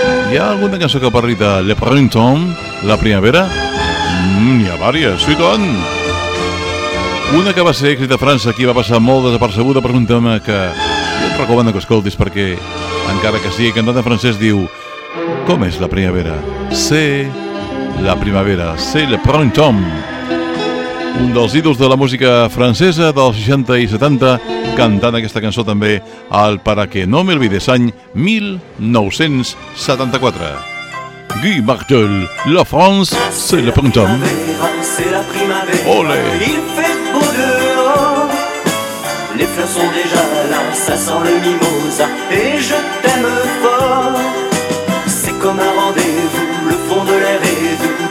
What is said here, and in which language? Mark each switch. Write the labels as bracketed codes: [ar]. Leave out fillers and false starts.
[ca] Hi ha alguna cançó que parli de Le Printemps, la primavera? N'hi ha diverses, sí, tant! Una que va ser èxit a França, que va passar molt desapercebuda, per un tema que jo recomano que escoltis perquè encara que sigui cantant en francès diu com és la primavera? [fr] C'est la primavera, c'est le printemps. [ca] Un dels ídols de la música francesa dels 60 i 70 cantant aquesta cançó també al Para que no me olvides any 1974. [fr] Guy Martel, la France, c'est le printemps. C'est la primavera, olé. Il fait beau dehors. Les fleurs sont déjà là, ça sent le mimosa. Et je t'aime fort. C'est comme un rendez-vous, le fond de l'air est doux.